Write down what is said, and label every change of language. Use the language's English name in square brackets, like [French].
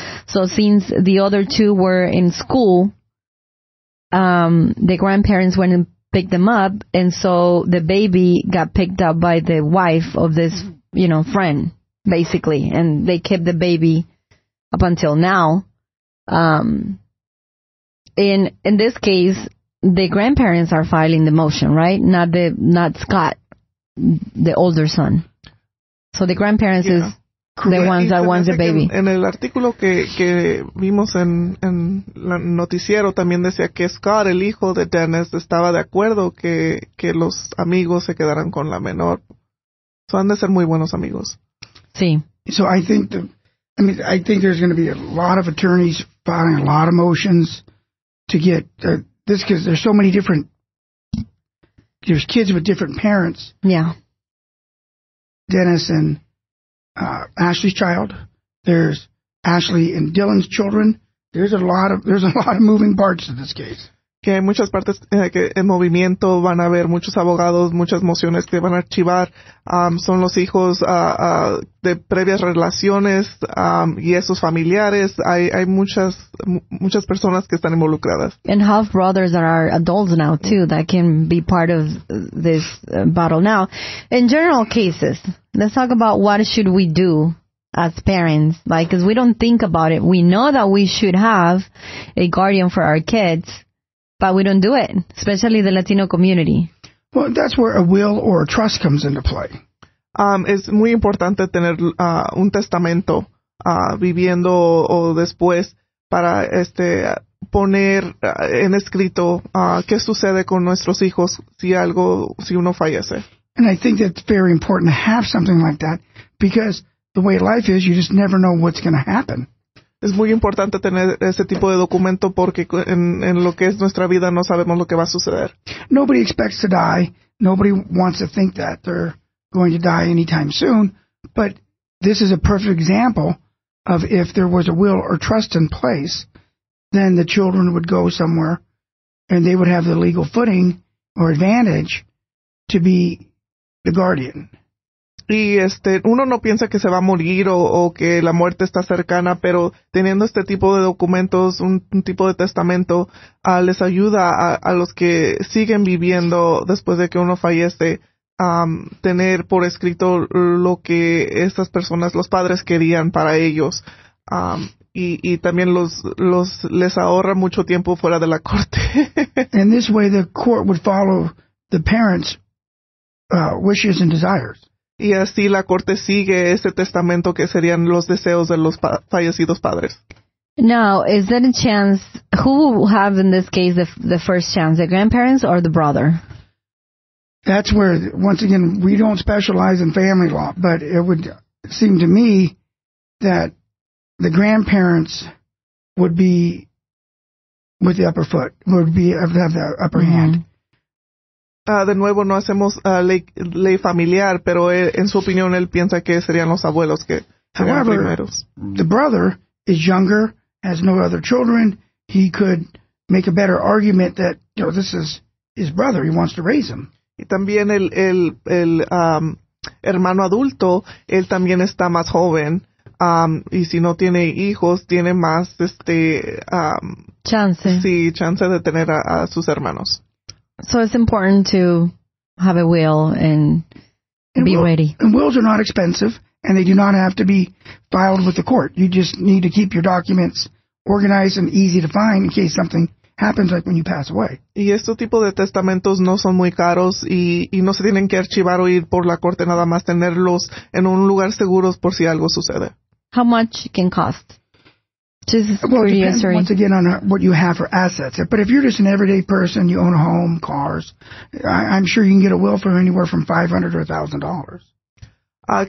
[English] So since the other two were in school, the grandparents went and picked them up, and so the baby got picked up by the wife of this, you know, friend, basically, and they kept the baby up until now. In this case, the grandparents are filing the motion, right? Not Scott, the older son. So the grandparents yeah. is the ones that want the baby. [Spanish] En el artículo que vimos en el noticiero también decía que Scott, el hijo de Dennis, estaba de acuerdo que los amigos se quedaran con la menor. So han de ser muy buenos amigos. Sí. [English] So I think there's going to be a lot of attorneys filing a lot of motions to get this, because there's so many different, there's kids with different parents. Yeah. Dennis and Ashley's child. There's Ashley and Dylan's children. There's a lot of moving parts to this case. [Spanish] Que hay muchas partes que en movimiento, van a haber muchos abogados, muchas mociones que van a archivar. Son los hijos de previas relaciones y esos familiares. Hay muchas personas que están involucradas. [English] And half brothers that are adults now too, that can be part of this battle. Now, in general cases, let's talk about what should we do as parents. Like, because we don't think about it. We know that we should have a guardian for our kids, but we don't do it, especially the Latino community. Well, that's where a will or a trust comes into play. [Spanish] Es muy importante tener un testamento viviendo o después para poner en escrito qué sucede con nuestros hijos si uno fallece. [English] And I think that's very important to have something like that, because the way life is, you just never know what's going to happen. [Spanish] Es muy importante tener ese tipo de documento porque en lo que es nuestra vida no sabemos lo que va a suceder. [English] Nobody expects to die. Nobody wants to think that they're going to die anytime soon. But this is a perfect example of if there was a will or trust in place, then the children would go somewhere and they would have the legal footing or advantage to be the guardian. [Spanish] Y uno no piensa que se va a morir o que la muerte está cercana, pero teniendo este tipo de documentos, un tipo de testamento, les ayuda a los que siguen viviendo después de que uno fallece, tener por escrito lo que estas personas, los padres, querían para ellos. Y también los les ahorra mucho tiempo fuera de la corte. [English] And this way the court would follow the parents' wishes and desires. [Spanish] Y así la corte sigue ese testamento que serían los deseos de los fallecidos padres. [English] Now, is there a chance, who will have in this case the first chance, the grandparents or the brother? That's where, once again, we don't specialize in family law, but it would seem to me that the grandparents would be with the upper foot, would be have the upper mm-hmm. hand. [Spanish] De nuevo, no hacemos ley familiar, pero en su opinión, él piensa que serían los abuelos que serían [English] However, [Spanish] primeros. [English] The brother is younger, has no other children. He could make a better argument that, you know, this is his brother. He wants to raise him. [Spanish] Y también el hermano adulto, él también está más joven. Y si no tiene hijos, tiene más [English] chance. [Spanish] Sí, chance de tener a sus hermanos. [English] So it's important to have a will and be ready. And wills are not expensive, and they do not have to be filed with the court. You just need to keep your documents organized and easy to find in case something happens like when you pass away. [Spanish] Y este tipo de testamentos no son muy caros y no se tienen que archivar o ir por la corte, nada más tenerlos en un lugar seguro por si algo sucede. [English] How much can cost? Depends, once again, on what you have for assets. But if you're just an everyday person, you own a home, cars, I'm sure you can get a will for anywhere from $500 or $1,000.